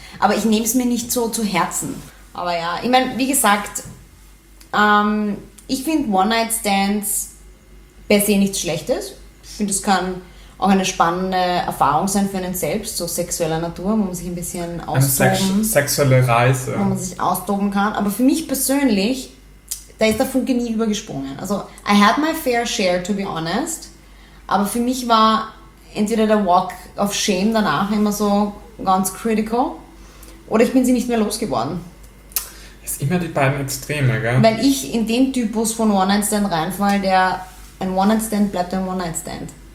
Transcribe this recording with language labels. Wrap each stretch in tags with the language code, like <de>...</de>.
<de>Aber ich nehme es mir nicht so zu Herzen. Aber ja, ich meine, wie gesagt, ich finde One-Night-Stands per se nichts Schlechtes. Ich finde, es kann auch eine spannende Erfahrung sein für einen selbst, so sexueller Natur, wo man sich ein bisschen austoben. Eine sexuelle Reise. Wo man sich austoben kann. Aber für mich persönlich, da ist der Funke nie übergesprungen.</de> <en>Also, I had my fair share, to be honest.</en> <de>Aber für mich war entweder der Walk of Shame danach immer so ganz critical. Oder ich bin sie nicht mehr losgeworden. Das ist immer die beiden Extreme, gell? Weil ich in den Typus von One-Night-Stand reinfall, der ein One-Night-Stand bleibt ein One-Night-Stand.</de>